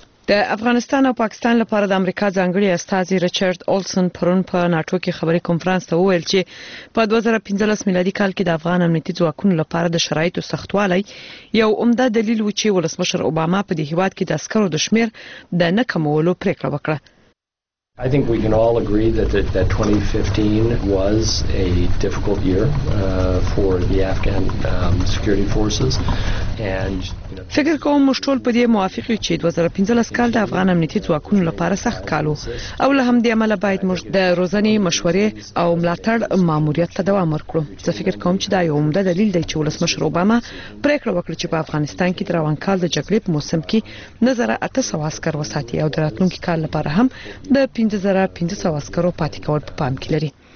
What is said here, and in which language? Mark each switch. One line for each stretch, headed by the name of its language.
Pashto: د افغانستان او پاکستان لپاره د امریکا ځانګړي استازي ریچارډ اولسن پرون په ناټو کې خبري کانفرنس ته وویل چې په 2015 میلادي کال کې د افغان امنیتي ځواکونو لپاره د شرایطو سختوالی یو عمده دلیل و چې ولسمشر اوباما په دې هیواد کې د اسکرو د شمیر د نه کمولو پریکړه وکړه.
English: I think we can all agree that 2015 was a difficult year for the Afghan security forces and
Pashto: فکر کوم موږ ټول په دې موافق یو چې 2015 کال د افغان امنیتي ځواکونو لپاره سخت کال و او له همدې امله باید موږ د روزنې، مشورې او ملاتړ ماموریت ته دوام ورکړو. زه فکر کوم چې دا یو عمده دلیل دی چې ولسمشر اوباما پریکړه وکړه چې په افغانستان کې د روان کال د جګړې په موسم کې نظر اته سو عسکر وساتي او د راتلونکي کال لپاره هم د 5500 عسکرو پاتې کول په پام کې لري.